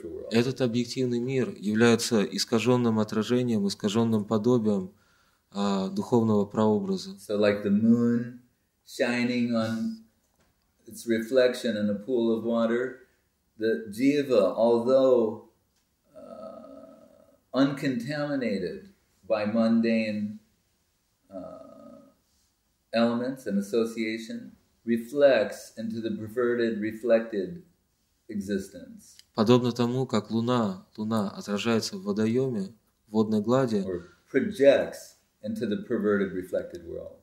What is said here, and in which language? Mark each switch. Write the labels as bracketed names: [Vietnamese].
[Russian] Этот объективный мир является искаженным отражением, искаженным подобием духовного прообраза. [English] So like the moon shining on its reflection in a pool of water, the jiva, although uncontaminated by mundane elements and association, reflects into the perverted, reflected existence. [Russian] Подобно тому, как луна отражается в водоеме, в водной глади, [English] or projects into the perverted, reflected world.